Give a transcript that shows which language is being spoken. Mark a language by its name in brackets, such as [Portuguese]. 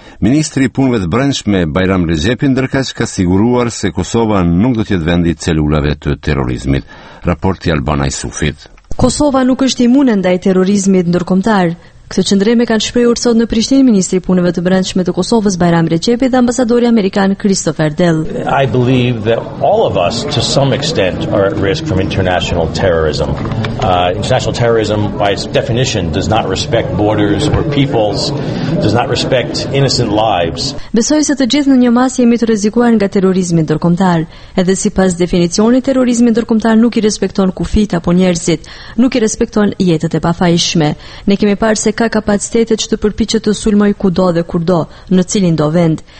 [Albanian] Ministri i Punëve të Brendshme Bajram Recepi ndërkaq ka siguruar se Kosova nuk do të jetë vendi i celulave të terrorizmit. Raporti Albana Isufit. Kosova nuk është imune ndaj terrorizmit ndërkombëtar. Këtë qëndrime kanë shprehur sot në Prishtinë ministri i Punëve të Brendshme të Kosovës Bajram Recepi dhe ambasadori amerikan Christopher Dell. [English] I believe that all of us to some extent are at risk from international terrorism. International terrorism by its definition does not respect borders or peoples, does not respect innocent lives. [Albanian] Besoj se të gjithë në një masë jemi të rrezikuar nga terrorizmi ndërkombëtar, edhe sipas definicionit terrorizmi ndërkombëtar nuk i respekton kufit apo njerëzit, nuk i respekton jetët e pafajshme. Ne kemi parë se ka kapacitetet që të përpiqet të sulmoj kudo dhe kurdo, në cilin do vend.